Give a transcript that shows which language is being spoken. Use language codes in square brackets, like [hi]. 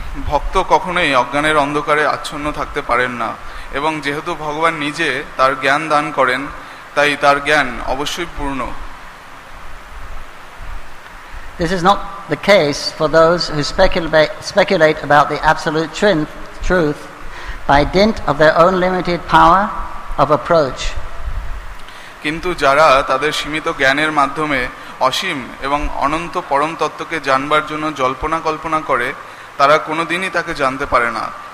[bn] ভক্ত কখনোই অজ্ঞানের অন্ধকারে আচ্ছন্ন থাকতে পারেন না, এবং যেহেতু ভগবান নিজে তার জ্ঞান দান করেন, তাই তার জ্ঞান অবশ্যই পূর্ণ। [en] This is not the case for those who speculate about the absolute truth by dint of their own limited power of approach. [bn] কিন্তু যারা তাদের সীমিত জ্ঞানের মাধ্যমে অসীম এবং অনন্ত পরম তত্ত্বকে জানবার জন্য জল্পনা কল্পনা করে, তারা কোনোদিনই তাকে জানতে পারে না।